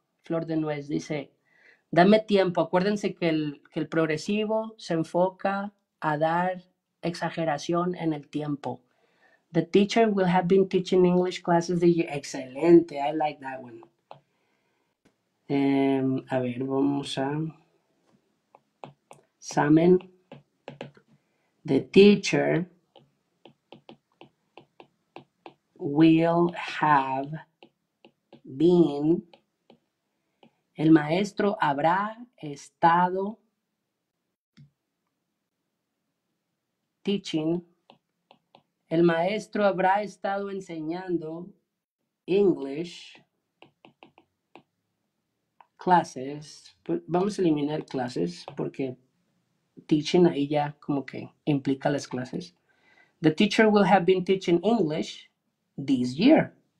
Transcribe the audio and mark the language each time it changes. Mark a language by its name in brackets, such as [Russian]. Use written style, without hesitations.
[Spanish] Flor de Nuez dice, dame tiempo, acuérdense que el progresivo se enfoca a dar exageración en el tiempo. [English] The teacher will have been teaching English classes this year. [Spanish] Excelente, [English] I like that one. [Spanish] A ver, vamos a examen. [English] The teacher will have been. [Spanish] El maestro habrá estado teaching. El maestro habrá estado enseñando [English] English classes. [Spanish] Vamos a eliminar clases porque teaching ahí ya como que implica las clases. [English] The teacher will have been teaching English this year.